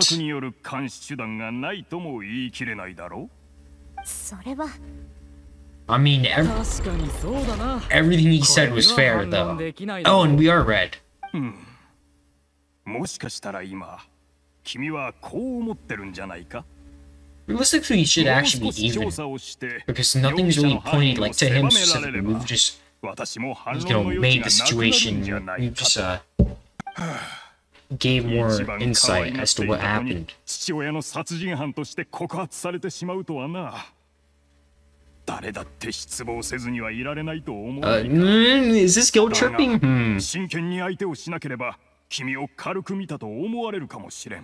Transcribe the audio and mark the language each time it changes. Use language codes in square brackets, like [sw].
[ja] 遠隔による監視手段がないとも言い切れないだろう。それは、 [en] I mean, everything he said was fair, though. Oh, and we are red. [ja] もしかしたら今、君はこう思ってるんじゃないか。 [en] Realistically, he should actually be even, because nothing's really pointed like to him specifically. We've just, you know, made the situation. We've just, gave more insight as to what happened. [ja] 父親の殺人犯として告発されてしまうとはな。誰だって失望せずにはいられないと思う。 [en] Is this guilt tripping? [ja] 真剣に相手をしなければ、君を軽く見たと思われるかもしれん。